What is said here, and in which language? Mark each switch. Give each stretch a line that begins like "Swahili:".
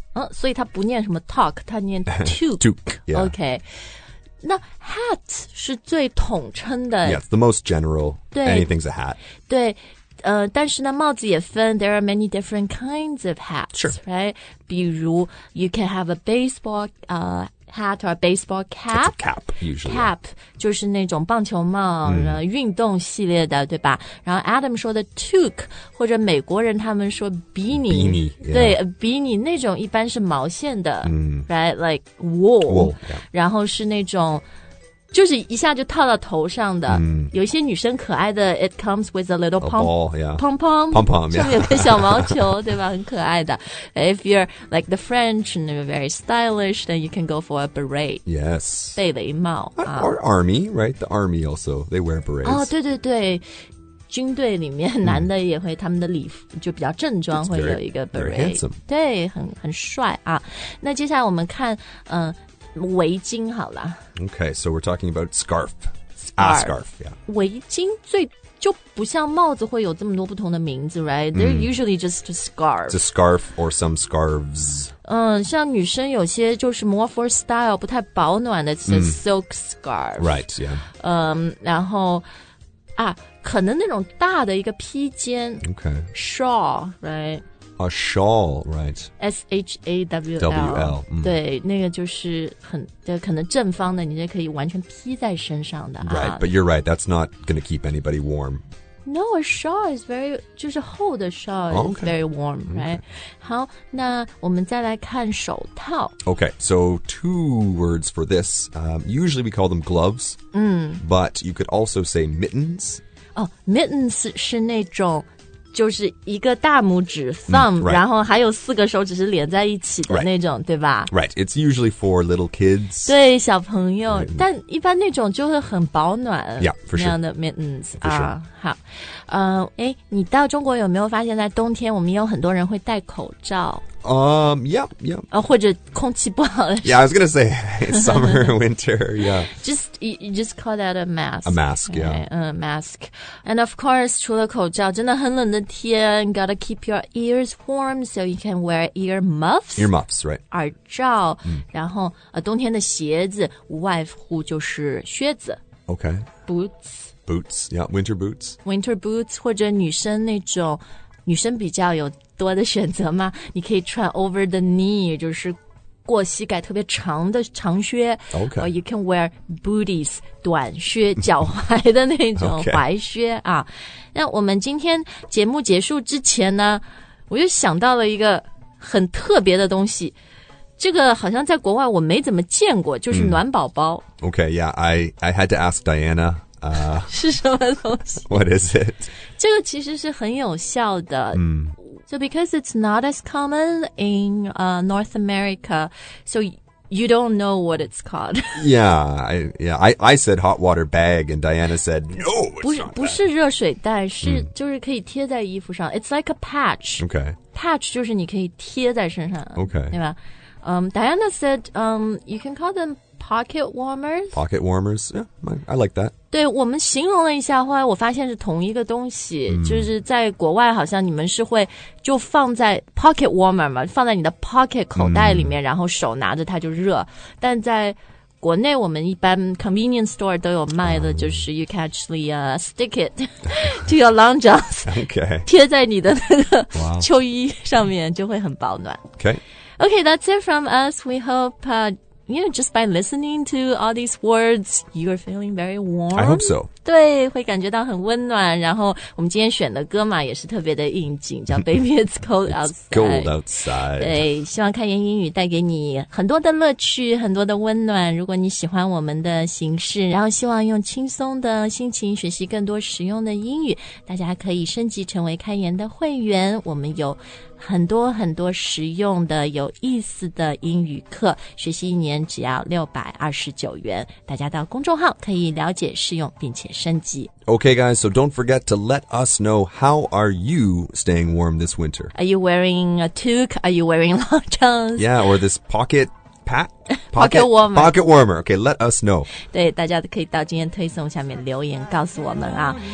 Chinese: 所以它不念什么 talk 它念 toque
English: Toque、yeah.
Chinese: Okay那 hat 是最统称的
English: Yeah, it's the most general
Chinese: 对
English: Anything's a hat
Chinese: 对、但是呢帽子也分
English: There are many different kinds of hats Sure、 right?
Chinese: 比如
English: You can have a baseball、hat Or a baseball cap It's a cap usually
Chinese: Cap 就是那种棒球帽、运动系列的对吧然后 Adam 说的 toque 或者美国人他们说 beanie
English: Beanie、yeah.
Chinese: 对 beanie 那种一般是毛线的、
English: Right, like wool、yeah.
Chinese: 然后是那种就是一下就套到头上的、有一些女生可爱的
English: It comes with a little pom-pom
Chinese: 上面有个小毛球对吧很可爱的
English: If you're like the French and you're very stylish then you can go for a beret Yes
Chinese: 贝雷帽
English: Or army, right? The army also, they wear berets
Chinese: 哦、对对对军队里面男的也会他们的礼服就比较正装会有一个 beret
English: very handsome
Chinese: 对 很帅啊那接下来我们看、围巾好了
English: Okay, so we're talking about scarf. Scarf. A scarf, yeah.
Chinese: 围巾最就不像帽子会有这么多不同的名字
English: right? They're usually just a scarf. It's a scarf or some scarves.
Chinese: 像女生有些就是
English: more for style,
Chinese: 不太保暖的
English: It's a silk scarf. Right, yeah.
Chinese: 然后啊可能那种大的一个披肩
English: Okay. Shawl, right? A shawl, right? S-H-A-W-L. W-L.、
Chinese: 对，那个就是很，就可能正方的，你就可以完全披在身上的、啊。
English: Right, but you're right. That's not going to keep anybody warm. No, a shawl is very,
Chinese: 就是厚的
English: shawl is、 oh, okay. very warm, right?、 Okay.
Chinese: 好，那我们再来看手套。
English: Okay, so two words for this.、usually we call them gloves,、but you could also say mittens.
Chinese: Oh, mittens 是那种就是一个大拇指 thumb、
English: right.
Chinese: 然后还有四个手指是连在一起的那种、
English: right.
Chinese: 对吧
English: Right, it's usually for little kids
Chinese: 对小朋友、mm-hmm. 但一般那种就会很保暖
English: Yeah, for sure
Chinese: 那样的 mittens、
English: sure.
Chinese: 好、你到中国有没有发现在冬天我们有很多人会戴口罩
English: Yeah,
Chinese: 或者空气不好
English: Yeah, I was gonna say summer, winter, yeah You just call that a mask A mask, yeah、 right? mask And of course,
Chinese: 除了口罩真的很冷的天
English: Gotta keep your ears warm So you can wear ear muffs, right
Chinese: 耳罩、然后、冬天的鞋子无外乎就是靴子
English: Okay Boots, yeah, winter boots
Chinese: 或者女生那种女生比较有多的选择吗你可以穿
English: over the knee
Chinese: 就是过膝盖特别长的长靴
English: OK or you can wear booties
Chinese: 短靴脚踝的那种踝靴啊、
English: okay.
Chinese: 那我们今天节目结束之前呢我又想到了一个很特别的东西这个好像在国外我没怎么见过就是暖宝宝、
English: OK yeah I had to ask Diana
Chinese: 是什么东西
English: What is it?
Chinese: 这个其实是很有效的、 mm.
English: So because it's not as common in、North America, so you don't know what it's called. I said hot water bag, and Diana said, no, it's
Chinese: 不是热水袋，是、mm. 就是可以贴在衣服上。
English: It's like a patch. Okay.
Chinese: Patch 就是你可以贴在身上。
English: Okay.
Chinese: 对吧、
English: Diana said,、you can call themPocket warmers? Pocket warmers, yeah, I like that.
Chinese: 对，我们形容了一下，后来我发现是同一个东西、mm. 就是在国外好像你们是会就放在 pocket warmer 嘛，放在你的 pocket 口袋里面、mm. 然后手拿着它就热，但在国内我们一般 convenience store 都有卖的、mm.
English: 就是 you can actually、stick it to your long johns okay.
Chinese: 贴在你的那个秋衣上面就会很保暖
English: Okay, okay, that's it from us. We hope... You know, just by listening to all these words, you are feeling very warm. I hope so.
Chinese: 对，会感觉到很温暖。然后我们今天选的歌嘛，也是特别的应景，叫 Baby, It's Cold Outside. It's cold outside. 对，希望开言英语带给你很多的乐趣，很多的温暖。如果你喜欢我们的形式，然后希望用轻松的心情学习更多实用的英语，大家可以升级成为开言的会员。我们有很多很多实用的有意思的英语课，学习一年只要629元，大家到公众号可以了解试用并且升级。
English: Okay guys, so don't forget to let us know, how are you staying warm this winter? Are you wearing a toque? Are you wearing long johns? Yeah, or this pocket pat? Pocket warmer. Pocket warmer, okay, let us know.
Chinese: 对，大家可以到今天推送下面留言告诉我们啊。